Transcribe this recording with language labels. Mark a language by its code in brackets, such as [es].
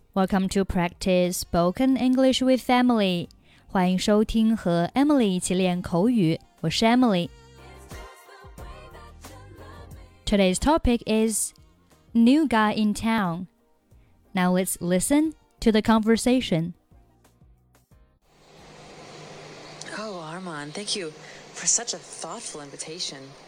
[en] Welcome to Practice Spoken English with Emily. [zh] 欢迎收听和 Emily 一起练口语。我是 Emily. [en] Today's topic is New Guy in Town. Now let's listen to the conversation. Oh, Armand, thank you for such a thoughtful invitation.